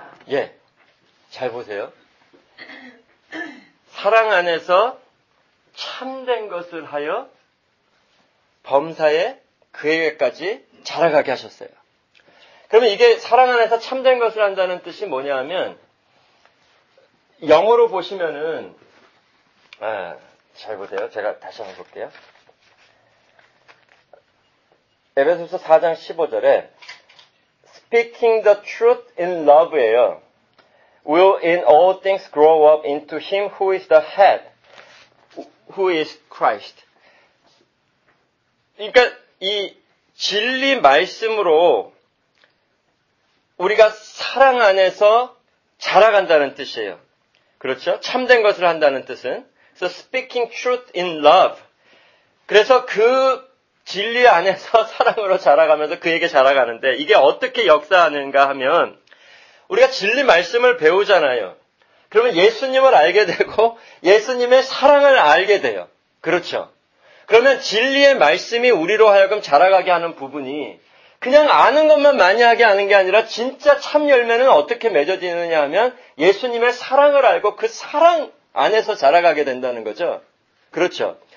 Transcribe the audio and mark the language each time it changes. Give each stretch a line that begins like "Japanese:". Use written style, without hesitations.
Korean: 예, 잘 보세요. 사랑 안에서 참된 것을 하여 범사에 그에게까지 자라가게 하셨어요. 그러면 이게 사랑 안에서 참된 것을 한다는 뜻이 뭐냐 하면, 영어로 보시면은, 아, 잘 보세요. 제가 다시 한번 볼게요. 에베소서 4장 15절에,
English: speaking the truth in love
Korean: 예요.
English: will in all things grow up into him who is the head, who is Christ.
Korean: 그러니까 이 진리 말씀으로, 우리가 사랑 안에서 자라간다는 뜻이에요. 그렇죠? 참된 것을 한다는 뜻은.
English: So speaking truth in love.
Korean: 그래서 그 진리 안에서 사랑으로 자라가면서 그에게 자라가는데 이게 어떻게 역사하는가 하면 우리가 진리 말씀을 배우잖아요. 그러면 예수님을 알게 되고 예수님의 사랑을 알게 돼요. 그렇죠? 그러면 진리의 말씀이 우리로 하여금 자라가게 하는 부분이 그냥 아는 것만 많이 하게 하는 게 아니라 진짜 참 열매는 어떻게 맺어지느냐 하면 예수님의 사랑을 알고 그 사랑 안에서 자라가게 된다는 거죠. 그렇죠.